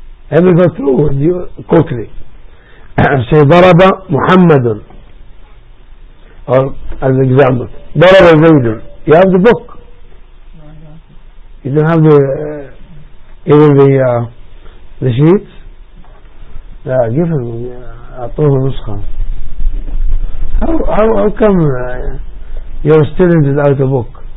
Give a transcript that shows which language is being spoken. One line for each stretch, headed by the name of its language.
English: Let me go through with you quickly. Say Baraba Muhammadun. Or as an example, Baraba Zaidun. You have the book. You don't have the even the sheets.
Arabic: لا
English: give him
Arabic: أعطوه نسخة.
English: How come your student is out of book?